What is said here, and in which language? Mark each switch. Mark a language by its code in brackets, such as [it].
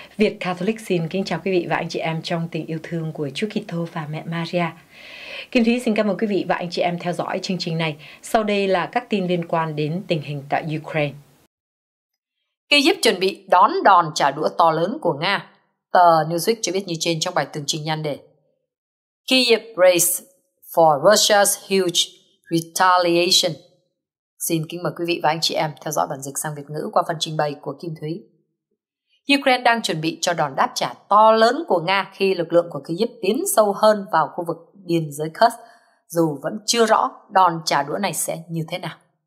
[vi] Việt Catholic xin kính chào quý vị và anh chị em trong tình yêu thương của Chúa Kitô và Mẹ Maria. Kim Thúy xin cảm ơn quý vị và anh chị em theo dõi chương trình này. Sau đây là các tin liên quan đến tình hình tại Ukraine. Kyiv chuẩn bị đón đòn trả đũa to lớn của Nga, tờ Newsweek cho biết như trên trong bài tường trình nhan đề. [en] Kyiv braced for Russia's huge retaliation. [vi] Xin kính mời quý vị và anh chị em theo dõi bản dịch sang Việt ngữ qua phần trình bày của Kim Thúy. Ukraine đang chuẩn bị cho đòn đáp trả to lớn của Nga khi lực lượng của Kyiv tiến sâu hơn vào khu vực biên giới Kherson, dù vẫn chưa rõ đòn trả đũa này sẽ như thế nào.